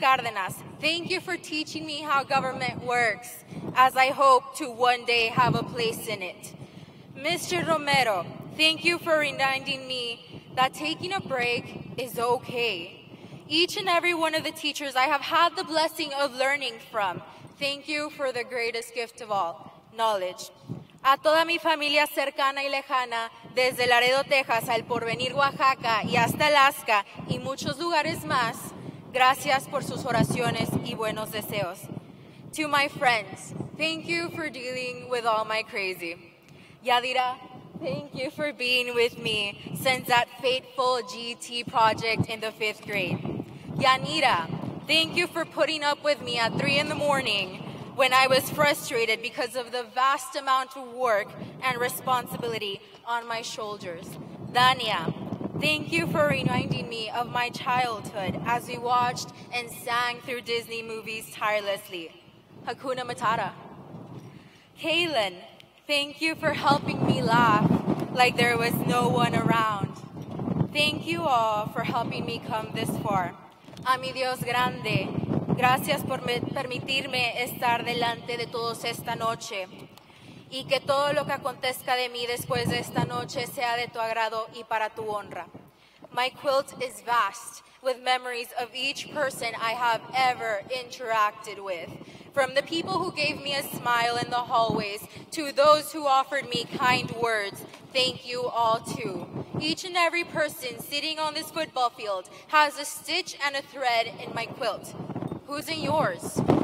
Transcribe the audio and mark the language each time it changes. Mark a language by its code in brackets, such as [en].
[en] Cardenas, thank you for teaching me how government works, as I hope to one day have a place in it. Mr. Romero, thank you for reminding me that taking a break is okay. Each and every one of the teachers I have had the blessing of learning from, thank you for the greatest gift of all, knowledge. [es] A toda mi familia cercana y lejana, desde Laredo, Texas, al Porvenir, Oaxaca, y hasta Alaska, y muchos lugares más, gracias por sus oraciones y buenos deseos. [en] To my friends, thank you for dealing with all my crazy. Yadira, thank you for being with me since that fateful GT project in the fifth grade. Yanira, thank you for putting up with me at 3 a.m. when I was frustrated because of the vast amount of work and responsibility on my shoulders. Dania, Thank you for reminding me of my childhood as we watched and sang through Disney movies tirelessly. Hakuna Matata. Kaylin, thank you for helping me laugh like there was no one around. Thank you all for helping me come this far. [es] A mi Dios grande, gracias por permitirme estar delante de todos esta noche. Y que todo lo que acontezca de mí después de esta noche sea de tu agrado y para tu honra. [en] My quilt is vast with memories of each person I have ever interacted with. From the people who gave me a smile in the hallways to those who offered me kind words, thank you all too. Each and every person sitting on this football field has a stitch and a thread in my quilt. Who's in yours?